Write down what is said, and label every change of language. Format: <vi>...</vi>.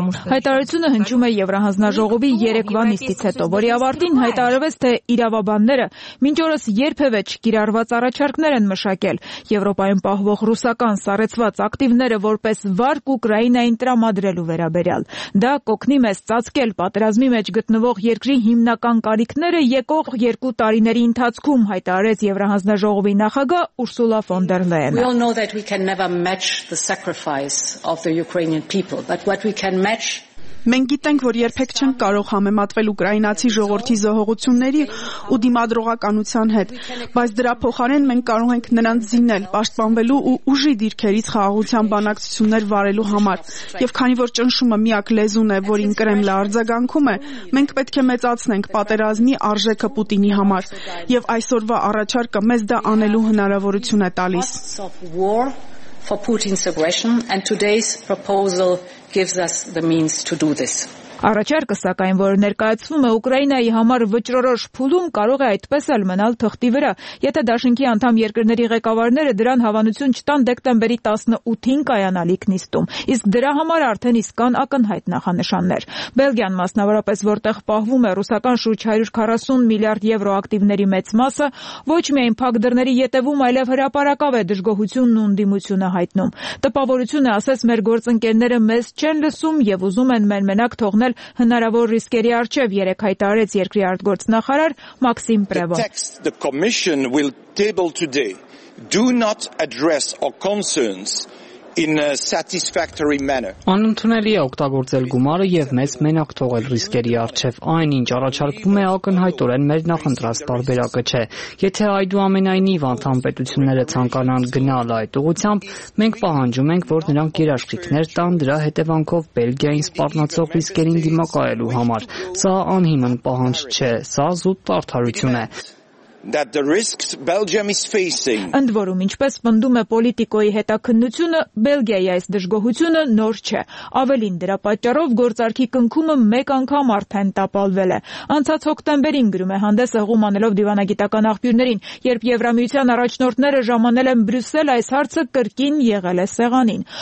<hy>Հայտարարությունը հնչում է Եվրահանձնաժողովի երեկվա նիստից հետո, որի ավարտին հայտարարվեց, թե իրավաբանները մինչ օրս երբևէ չկիրառված առաջարկներ են մշակել Եվրոպայում պահվող ռուսական սառեցված ակտիվները որպես վարկ Ուկրաինային տրամադրելու վերաբերյալ։ Դա կօգնի մեզ ծածկել պատերազմի մեջ գտնվող երկրի հիմնական կարիքները եկող երկու տարիների ընթացքում, հայտարարեց Եվրահանձնաժողովի նախագահ Ursula von der Leyen.</hy> <en>We all know that we can never match the sacrifice of the Ukrainian people, but what we can match.</en> <hy>Մենք գիտենք, որ երբեք չենք կարող համեմատվել ուկրաինացի ժողովրդի զոհողությունների ու դիմադրողականության հետ, բայց դրա փոխարեն մենք կարող ենք նրանց զինել, պաշտպանվելու ու ուժի դիրքերից խաղաղության բանակցություններ վարելու համար։ Եվ քանի որ ճնշումը միակ լեզուն է, որին Կրեմլը արձագանքում է, մենք պետք է մեծացնենք պատերազմի արժեքը Պուտինի համար, և այսօրվա առաջարկը մեզ դա անելու հնարավորություն է տալիս։</hy> <en>For Putin's aggression, and today's proposal gives us the means to do this.</en> <hy>Առաջարկը, սակայն, որ ներկայացվում է Ուկրաինայի համար վճռորոշ փուլում, կարող է այդպես էլ մնալ թղթի վրա, եթե Դաշնքի անդամ երկրների ղեկավարները դրան հավանություն չտան դեկտեմբերի 18-ին կայանալիք նիստում, իսկ դրա համար արդեն իսկ կան ակնհայտ նախանշաններ։ Բելգիան, մասնավորապես, որտեղ պահվում է ռուսական շուրջ 140 միլիարդ եվրո ակտիվների մեծ մասը, ոչ միայն փակ դռների ետևում, այլև հրապարակավ է դժգոհությունն ու ընդդիմությունը հայտնում։ Տպավորությունը, ասես, մեր գործընկերները մեզ չեն լսում և ուզում են մեր մենակ թողնել հնարավոր ռիսկերի առջև, երեկ հայտարարեց երկրի արտգործնախարար Մաքսիմ Պրևո։</hy> <en>The commission will table today do not address our concerns in a satisfactory manner.</en> <hy>Անընդունելի է օգտագործել գումարը եւ մեզ մենակ թողել ռիսկերի առջև, այնինչ առաջարկվում է ակնհայտորեն մեր նախընտրած տարբերակը չէ։ Եթե այդուամենայնիվ անդամ պետությունները ցանկանան գնալ այդ ուղությամբ, մենք պահանջում ենք, որ նրանք երաշխիքներ տան դրա հետևանքով Բելգիային սպառնացող ռիսկերին դիմակայելու համար։ Սա անհիմն պահանջ չէ, սա զուտ տարթարություն է։</hy> <en>that the risks Belgium is facing.</en> <hy>Ընդ որում, ինչպես ֆնդում է պոլիտիկոյի հետաքննությունը, Բելգիայի այս դժգոհությունը նոր չէ։ Ավելին, դրա պատճառով գործարքի կնքումը մեկ անգամ արդեն տապալվել է։ Անցած հոկտեմբերին գրում է հանդես հղում անելով դիվանագիտական աղբյուրներին, երբ Եվրամիության առաջնորդները ժամանել են Բրյուսել, այս հարցը կրկին եղել է սեղանին։</hy>